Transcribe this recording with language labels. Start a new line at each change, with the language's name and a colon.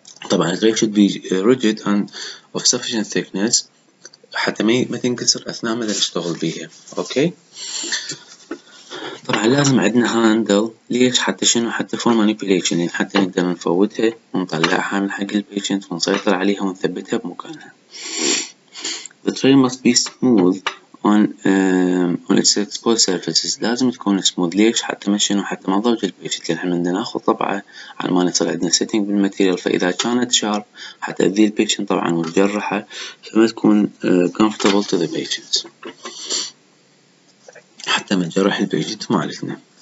Arabic: طبعا
English: الدري should be rigid and of sufficient thickness
Arabic: حتى ما تنكسر اثناء ما نشتغل بيها. اوكي، طبعا لازم عندنا هاندل. ليش؟ حتى شنو، حتى
English: for manipulation,
Arabic: يعني حتى نقدر نفوتها ونطلعها من حق البيشنت ونسيطر عليها ونثبتها بمكانها.
English: The tray must be smooth on its exposed surfaces.
Arabic: لازم تكون سموث. ليش؟ حتى ما شنو، حتى ما ضوج البيشنت، لان احنا بدنا ناخذ طبعه على ما نصل عندنا سيتنج بالماتيريال. فاذا كانت شارب حتى تاذي البيشنت طبعا وتجرحه، فما تكون
English: comfortable to the patient
Arabic: حتى ما تجرح البيشنت مالتنا.